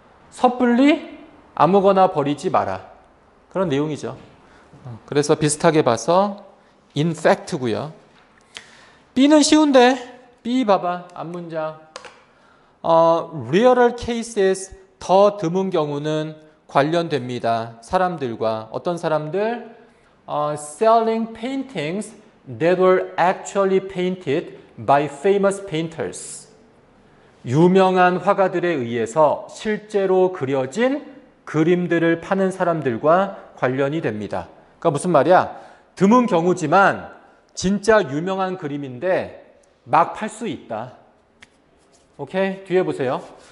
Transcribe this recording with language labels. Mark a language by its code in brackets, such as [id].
[ko] 섣불리 아무거나 버리지 마라. 그런 내용이죠. 그래서 비슷하게 봐서 in fact고요. B는 쉬운데 B 봐봐. 앞문장. [en] Rarer cases [ko] 더 드문 경우는 관련됩니다. 사람들과 어떤 사람들? [en] Selling paintings that were actually painted by famous painters. [ko] 유명한 화가들에 의해서 실제로 그려진 그림들을 파는 사람들과 관련이 됩니다. 그러니까 무슨 말이야? 드문 경우지만 진짜 유명한 그림인데 막 팔 수 있다. 오케이? 뒤에 보세요.